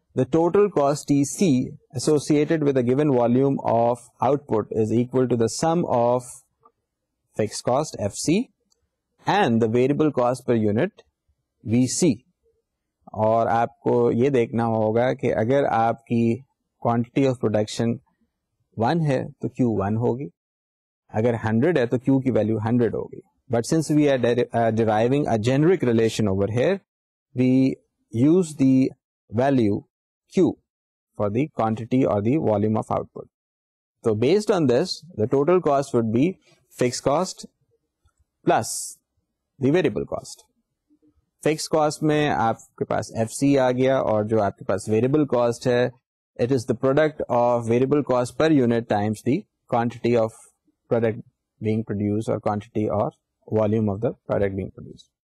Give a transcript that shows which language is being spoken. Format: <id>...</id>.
<en>the total cost TC associated with a given volume of output is equal to the sum of fixed cost FC and the variable cost per unit VC.</en> <ur>اور آپ کو یہ دیکھنا ہوگا کہ اگر آپ کی کوانٹٹی آف پروڈکشن 1 ہے تو Q 1 ہوگی, اگر 100 ہے تو Q کی ویلیو 100 ہوگی.</ur> <en>But since we are driving a generic relation over here, we use the value Q for the quantity or the volume of output. تو based on this the total cost would be fix cost plus the variable cost.</en> <ur>Fix cost میں آپ کے پاس F C آ گیا, اور جو آپ کے پاس ویریبل کاسٹ ہے</ur> <en>It is the product of variable cost per unit times the quantity of product being produce or quantity or volume of the product being produce.</en>